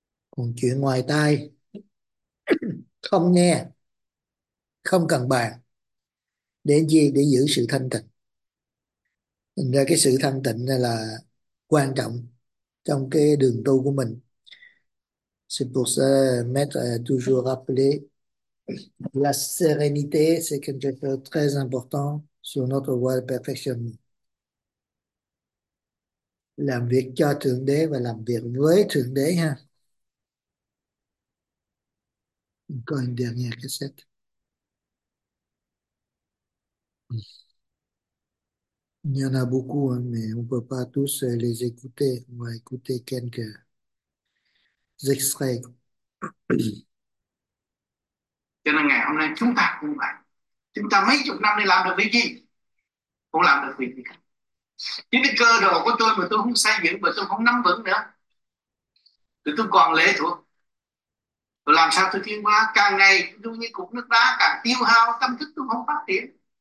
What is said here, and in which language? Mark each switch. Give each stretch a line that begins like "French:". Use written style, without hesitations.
Vietnamese: Còn chuyện ngoài tai không nghe, không cần bàn, để gì? Để giữ sự thanh tịnh. Thành ra cái sự thanh tịnh này là quan trọng trong cái đường tu của mình.
French: C'est pour ça, maître a toujours rappelé la sérénité, c'est quelque chose de très important sur notre voie de perfection.
Vietnamese: Làm việc cho Thượng Đế và làm việc với Thượng Đế ha. Coi anh đi nghe cassette.
French: Il y en a beaucoup, hein, mais on ne peut pas tous les écouter. On va écouter quelques extraits.
Vietnamese: Cho nên ngày hôm nay chúng ta cũng vậy. Chúng ta mấy chục năm đi làm được việc gì? Không làm được việc gì cả. Những cái cơ đồ của tôi mà tôi không xây dựng, mà tôi không nắm vững nữa, thì tôi còn lệ thuộc. Tôi làm sao tôi tiến hóa? Càng ngày tôi như cục nước đá, càng tiêu hao tâm thức tôi không phát triển.